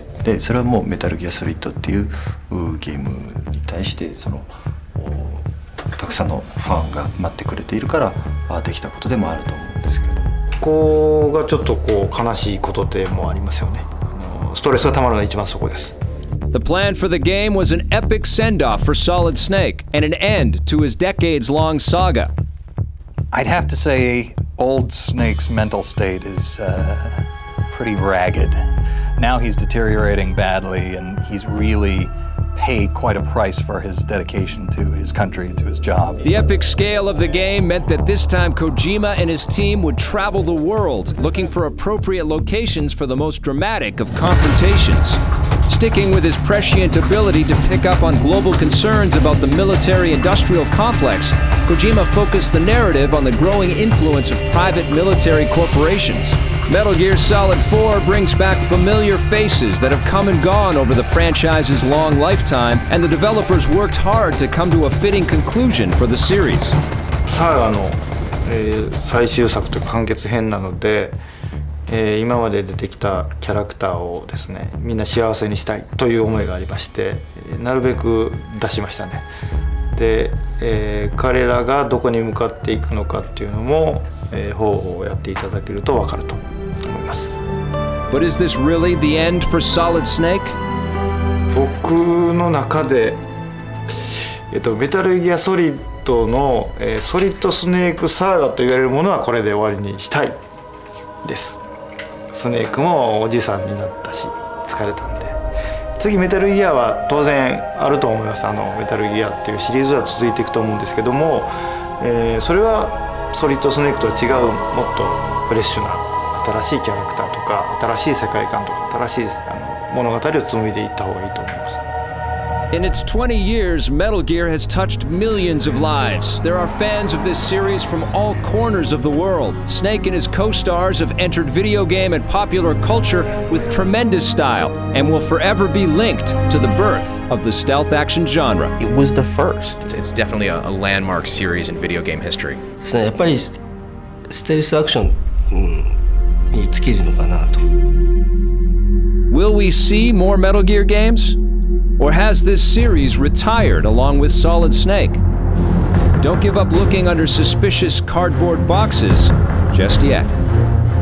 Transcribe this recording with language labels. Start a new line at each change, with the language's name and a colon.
Japanese: でそれはもうメタルギアソリッドっていうゲームに対して、そのたくさんのファンが待ってくれているからできたことでもあると思うんですけれども、ここがちょっとこう悲しいことでもありますよね。ストレスがたまるのが一番そこです。
English: The plan for the game was an epic send-off for Solid Snake and an end to his decades-long saga. I'd have to say old Snake's mental state is pretty ragged. Now he's deteriorating badly, and he's really paid quite a price for his dedication to his country and to his job. The epic scale of the game meant that this time Kojima and his team would travel the world looking for appropriate locations for the most dramatic of confrontations. Sticking with his prescient ability to pick up on global concerns about the military-industrial complex, Kojima focused the narrative on the growing influence of private military corporations. Metal Gear Solid 4 brings back familiar faces that have come and gone over the franchise's long lifetime, and the developers worked hard to come to a fitting conclusion for the series.
Japanese: Saga の、最終作と完結編なので、今まで出てきたキャラクターをですね、みんな幸せにしたいという思いがありまして、なるべく出しましたね。で、彼らがどこに向かっていくのかっていうのも、方法をやっていただけるとわかると思います。
English: But is this really the end for Solid Snake?
Japanese: 僕の中で、メタルギアソリッドの、ソリッドスネークサーガと言われるものはこれで終わりにしたいです。スネークもおじさんになったし疲れたんで、次メタルギアは当然あると思います。メタルギアっていうシリーズは続いていくと思うんですけども、それはソリッドスネークとは違う、もっとフレッシュな新しいキャラクターとか新しい世界観とか新しい物語を紡いでいった方がいいと思います。
English: In its 20 years, Metal Gear has touched millions of lives. There are fans of this series from all corners of the world. Snake and his co-stars have entered video game and popular culture with tremendous style and will forever be linked to the birth of the stealth action genre. It was the first. It's definitely a landmark series in video game history.
Japanese: やっぱりステルスアクションに尽きるのかなと。
English: Will we see more Metal Gear games? Or has this series retired along with Solid Snake? Don't give up looking under suspicious cardboard boxes just yet.